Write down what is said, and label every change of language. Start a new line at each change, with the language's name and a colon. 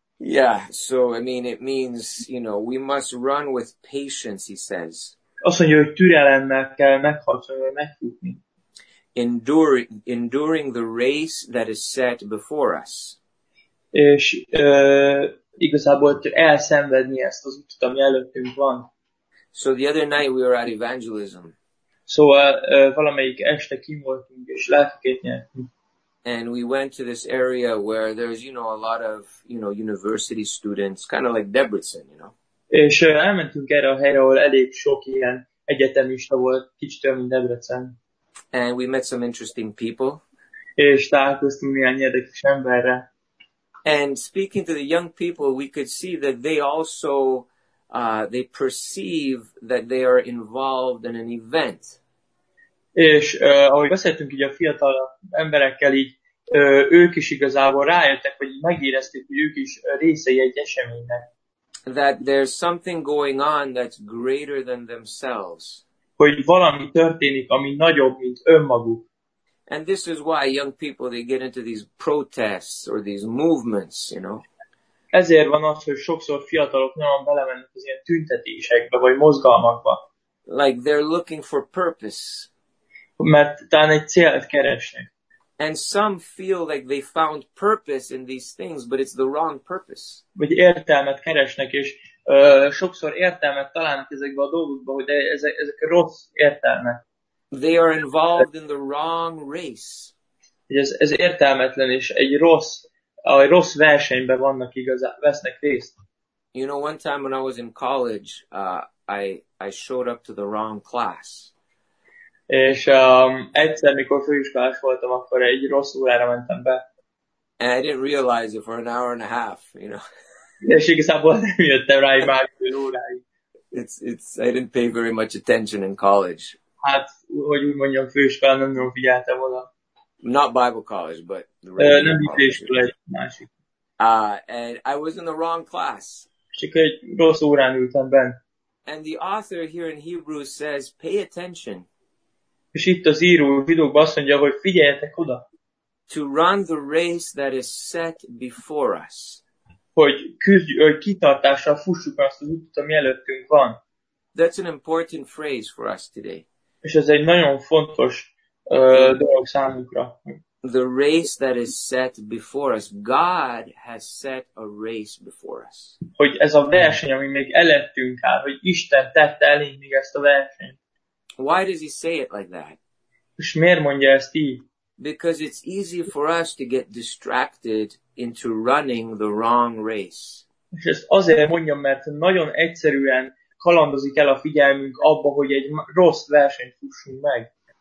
English: Yeah, so I mean it means, you know, we must run with patience, he says.
Hungarian: Azt mondja, hogy türelemmel kell meghaltani, megfutni.
English: Enduring the race that is set before us.
Hungarian: És igazából elszenvedni ezt az utat, ami előttünk van.
English: So the other night we were at evangelism.
Hungarian: Valamelyik este kim voltunk és lelkeket nyertünk.
English: And we went to this area where there's, you know, a lot of, you know, university students, kind of like Debrecen, you know.
Hungarian: És elmentünk erre a helyre, ahol elég sok ilyen egyetemista volt, kicsit olyan, mint Debrecen.
English: And we met some interesting people.
Hungarian: És találkoztunk néhány érdekes emberre.
English: And speaking to the young people, we could see that they also, they perceive that they are involved in an event.
Hungarian: És ahogy beszéltünk így a fiatal emberekkel, így ők is igazából rájöttek, vagy megérezték, hogy ők is részei egy eseménynek.
English: That there's something going on that's greater than themselves.
Hungarian: hogy valami történik, ami nagyobb, mint önmaguk.
English: And this is why young people, they get into these protests or these movements, you know.
Hungarian: Ezért van az, hogy sokszor fiatalok nyilván belemennek az ilyen tüntetésekbe, vagy mozgalmakba.
English: Like they're looking for purpose.
Hungarian: Mert talán egy célt keresnek.
English: And some feel like they found purpose in these things, but it's the wrong purpose.
Hungarian: Vagy értelmet keresnek, és sokszor értelmet találnak ezekbe a dolgokba, hogy ezek rossz értelmek.
English: They are involved in the wrong race.
Hungarian: Ez értelmetlen, és egy rossz versenyben vannak igazán, vesznek részt.
English: You know, one time when I was in college, I showed up to the wrong class.
Hungarian: És egyszer, mikor főiskolás voltam, akkor egy rossz órára mentem be.
English: And I didn't realize it for an hour and a half, you know.
Hungarian: És igazából nem jöttem rá egy másfél óráig.
English: I didn't pay very much attention in college.
Hungarian: Hát, hogy úgy mondjam, főiskolán nem nagyon figyeltem volna.
English: Not Bible college, but the regular college.
Hungarian: Nem főiskola, egy másik.
English: And I was in the wrong class.
Hungarian: És akkor egy rossz órán ültem benn.
English: And the author here in Hebrews says, pay attention.
Hungarian: És itt az író a videóban azt mondja, hogy figyeljetek oda.
English: To run the race that is set before us.
Hungarian: Hogy kitartással fussuk azt az utat, ami előttünk van.
English: That's an important phrase for us today.
Hungarian: És ez egy nagyon fontos dolog számunkra.
English: The race that is set before us. God has set a race before us.
Hungarian: Hogy ez a verseny, ami még előttünk áll, hogy Isten tette elénk még ezt a versenyt.
English: Why does he say it like that?
Hungarian: És miért mondja ezt így?
English: Because it's easy for us to get distracted into running the wrong race.
Hungarian: És ezt azért mondjam, mert nagyon egyszerűen kalandozik el a figyelmünk abba, hogy egy rossz versenyt fussunk meg.